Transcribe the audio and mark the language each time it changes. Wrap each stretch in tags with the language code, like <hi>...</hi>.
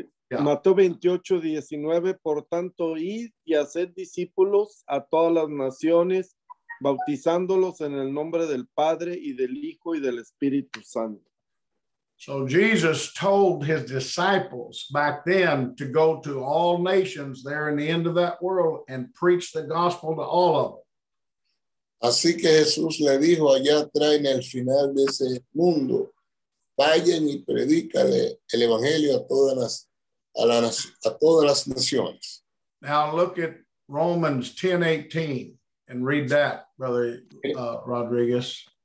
<es>Mateo 28:19, por tanto, id y haced discípulos a todas las naciones, bautizándolos en el nombre del Padre y del Hijo y del Espíritu Santo.</es> <en>So Jesus told his disciples back then to go to all nations there in the end of that world and preach the gospel to all of them.</en> <es>Así que Jesús le dijo allá atrás en el final de ese mundo, vayan y predícale el evangelio a todas las naciones.</es> <en>Now look at Romans 10:18 and read that, Brother Rodriguez.</en>